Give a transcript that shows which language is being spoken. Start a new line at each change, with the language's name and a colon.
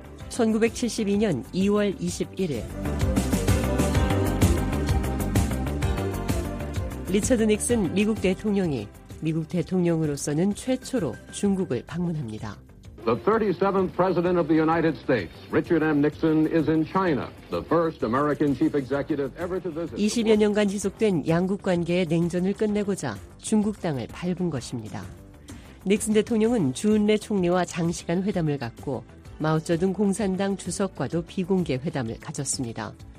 Korean: 1972년 2월 21일 리처드 닉슨 미국 대통령이 미국 대통령으로서는 최초로 중국을 방문합니다.
English: The 37th President of the United States, Richard M. Nixon, is in China, the first American chief executive ever to visit.
Korean: 20여 년간 지속된 양국 관계의 냉전을 끝내고자 중국 땅을 밟은 것입니다. 닉슨 대통령은 주은래 총리와 장시간 회담을 갖고 마오쩌둥 공산당 주석과도 비공개 회담을 가졌습니다.